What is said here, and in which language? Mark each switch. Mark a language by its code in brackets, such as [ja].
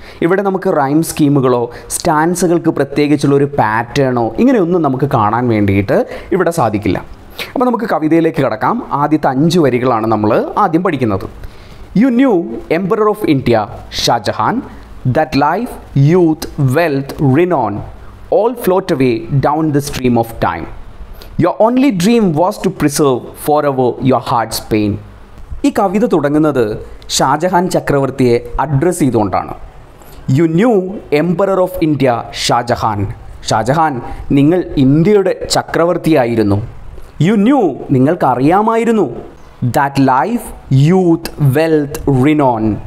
[ml] ഇവിടെ നമുക്ക് റൈം സ്കീമുകളോ സ്റ്റാൻസുകൾക്ക് പ്രത്യേകിച്ചുള്ള ഒരു പാറ്റേണോ ഇങ്ങനെയൊന്നും നമുക്ക് കാണാൻ വേണ്ടിയിട്ട് ഇവിടെ സാധിക്കില്ല. അപ്പോൾ നമുക്ക് കവിതയിലേക്ക് കടക്കാം. ആദ്യത്തെ 5 വരികളാണ് നമ്മൾ ആദ്യം പഠിക്കുന്നത്. [en] You knew emperor of India Shahjahan that life youth wealth renown all float away down the stream of time. Your only dream was to preserve forever your heart's pain. [ml] ഈ കവിത തുടങ്ങുന്നത് ഷാജഹാൻ ചക്രവർത്തിയെ അഡ്രസ് ചെയ്തുകൊണ്ടാണ്. [en] You knew emperor of India Shahjahan. [ml] Shah Jahan, നിങ്ങൾ ഇന്ത്യയുടെ ചക്രവർത്തിയായിരുന്നു. [en] you knew, [ml] നിങ്ങൾക്കറിയാമായിരുന്നു. [en] That life youth wealth renown.